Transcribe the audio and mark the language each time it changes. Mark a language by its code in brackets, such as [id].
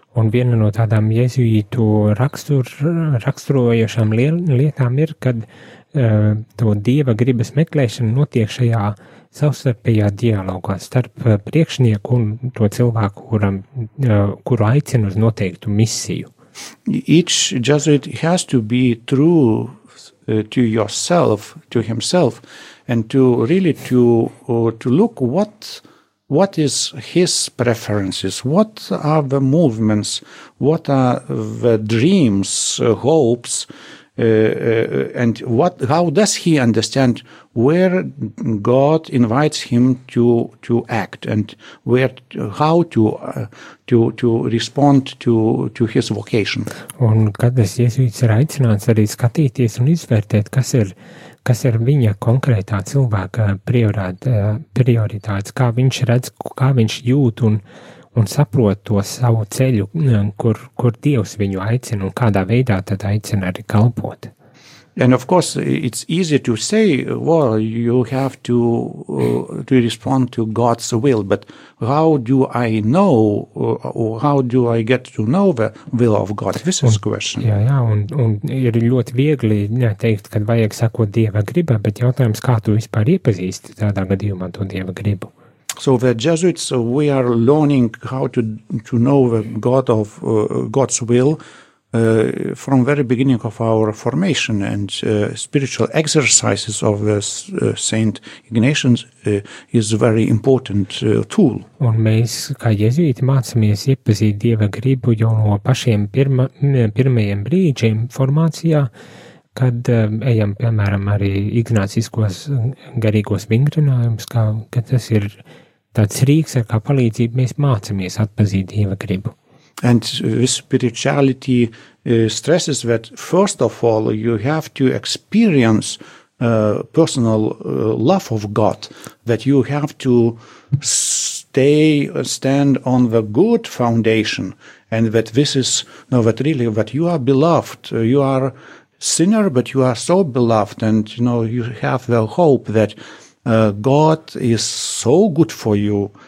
[lv] Un viena no tādām jezuītu raksturojošām lietām ir, kad to Dieva gribas meklēšana notiek šajā savstarpējā dialogā starp priekšnieku un to cilvēku, kuru aicina uz noteiktu misiju. [en] Each Jesuit has to be true to yourself, to himself, and to really to look what is his preferences, what are the movements, what are the dreams, hopes, and how does he understand where God invites him to act and where how to respond to his vocation. [lv] Un kad es jezuīts ir aicināts arī skatīties un izvērtēt, kas ir viņa konkrētā cilvēka prioritātes, kā viņš jūt un saprot to savu ceļu, kur Dievs viņu aicina un kādā veidā tad aicina arī kalpot. [en] And of course it's easy to say well you have to respond to God's will but how do I know or how do I get to know the will of God? This is question. [lv] Jā, un ir ļoti viegli teikt, kad vajag sakot Dieva griba, bet jautājums, kā tu vispār iepazīsti tādā gadījumā to Dieva gribu? [en] So the Jesuits we are learning how to know the God of God's will from very beginning of our formation and spiritual exercises of Saint Ignatius is a very important tool. [lv] Un mēs, kā jezuīti, mācāmies iepazīt Dieva gribu jau no pašiem pirmajiem brīžiem formācijā, kad ejam, piemēram, arī ignāciskos garīgos vingrinājumus, ka tas ir tāds rīks, ar kā palīdzību mēs mācāmies atpazīt Dieva gribu. [en] And this spirituality stresses that first of all you have to experience personal love of God, that you have to stand on the good foundation, and that this is that really that you are beloved, you are sinner, but you are so beloved, and you have the hope that God is so good for you.